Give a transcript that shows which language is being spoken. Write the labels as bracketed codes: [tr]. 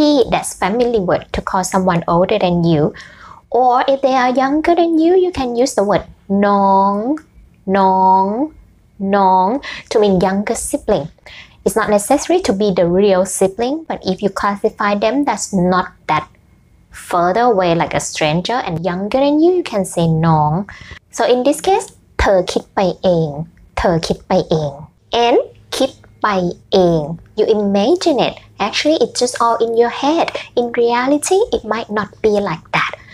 [en] That's family word to call someone older than you. Or if they are younger than you, you can use the word Nong to mean younger sibling. It's not necessary to be the real sibling, but if you classify them, that's not that. Further away like a stranger and younger than you, you can say น้อง So in this case, [th] เธอคิดไปเองเธอคิดไปเอง [en] And คิดไปเอง You imagine it. Actually, it's just all in your head. In reality, it might not be like that.